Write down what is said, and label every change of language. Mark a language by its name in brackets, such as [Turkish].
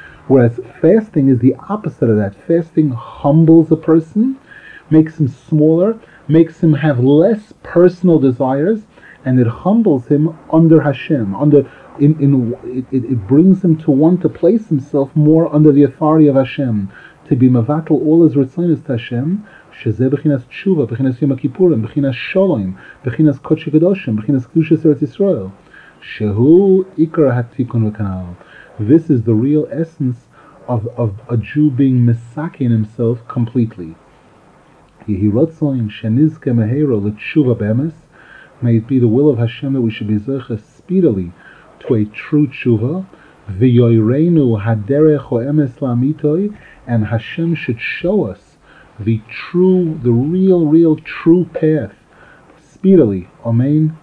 [English] Whereas fasting is the opposite of that. Fasting humbles a person, makes him smaller, makes him have less personal desires, and it humbles him under Hashem. It brings him to want to place himself more under the authority of Hashem, to be mevatel all his ritzonos to Hashem, [Hebrew] שזה בחינס תשובה, בחינס יום הכיפורים, בחינס שולוים, בחינס קודש הקדושים, בחינס קדושת ארץ ישראל, שהוא עיקר התיקון וכנעל. [English] This is the real essence of a Jew being misaking himself completely. [Hebrew] יהי רצון שנזכה מהירו לתשובה באמס. [English] May it be the will of Hashem that we should be zecha speedily to a true tshuva. [Hebrew] V'yoyreinu haderech o'emes la'amitoi. [English] And Hashem should show us the true, the real, real true path speedily. Amen.